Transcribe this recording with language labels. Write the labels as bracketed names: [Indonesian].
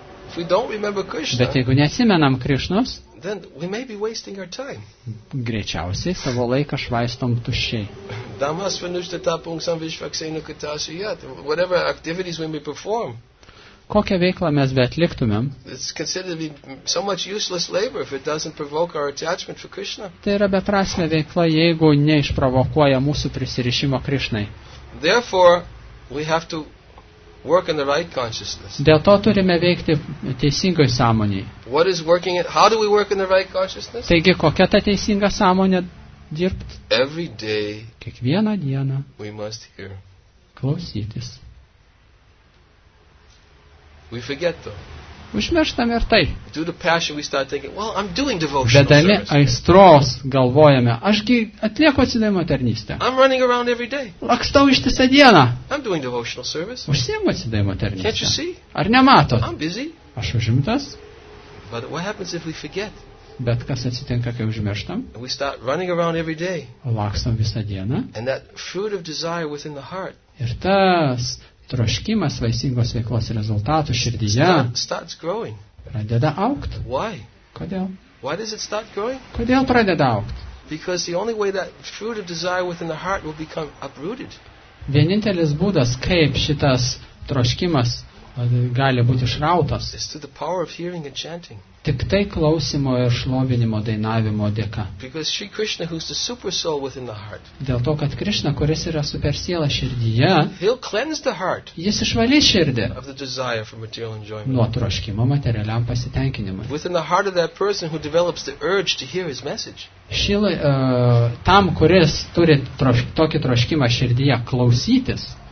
[English] If we don't remember Krishna, [Lithuanian] bet jeigu neatsimenam Krishnos, [English] then we may be wasting our time. [Lithuanian] Greičiausiai savo laiką švaistom tuščiai. [Sanskrit] Damas vanušta tapungsam višvakseinu kitasu yet. [English] Whatever activities we may perform. [Lithuanian] Kokią veiklą mes beatliktumėm. [English] It's considered to be so much useless labor if it doesn't provoke our attachment for Krishna. [Lithuanian] Tai yra beprasmė veikla, jeigu neišprovokuoja mūsų prisirišimo Krishnai. [English] Therefore, we have to Work in the right consciousness. [Lithuanian] Dėl to turime veikti teisingoj sąmonėj. [English] What is working it? How do we work in the right consciousness? [Lithuanian] Taigi, kokia ta teisinga sąmonė dirbt? [English] Every day. [Lithuanian] Kiekvieną dieną. [English] We must hear. [Lithuanian] Klausytis. [English] We forget though. [Lithuanian] Užmirštame ir tai. [English] Through the passion we start thinking, well, I'm doing devotional service. [Lithuanian] Vedami aistros galvojame, ašgi atlieku atsidavimo tarnystę. [English] I'm running around every day. [Lithuanian] Lakstau ištisą dieną. [English] I'm doing devotional service. [Lithuanian] Užsiimu atsidavimo tarnystę. [English] Can't you see? [Lithuanian] Ar nematot? [English] I'm busy. [Lithuanian] Aš užimtas. [English] But what happens if we forget? [Lithuanian] Bet kas atsitinka, kai užmirštam? [English] We start running around every day. [Lithuanian] Lakstam visą dieną. [English] And that fruit of desire within the heart. [Lithuanian] Ir tas troškimas vaisingos veiklos rezultatų širdyje pradeda augt. [English] Why? [Lithuanian] Kodėl? [English] Why does it start growing? [Lithuanian] Kodėl pradeda augt? [English] Because the only way that fruit of desire within the heart will become uprooted. [Lithuanian] Vienintelis būdas, kaip šitas troškimas gali būti išrautas, [English] is through the power of hearing and chanting. [Lithuanian] Tik tai klausimo ir šlovinimo dainavimo dėka. [English] Because Sri Krishna, who's the super soul within the heart. [Lithuanian] Dėl to, kad Krishna, kuris yra supersiela širdyje, [English] he'll cleanse the heart. [Lithuanian] Jis išvalys širdį. [English] Of the desire for material enjoyment. [Lithuanian] Nuo troškimo materialiam pasitenkinimui. [English] Within the heart of that person who develops the urge to hear his message. [Lithuanian] Tam, kuris turi tokį troškimą širdyje klausytis.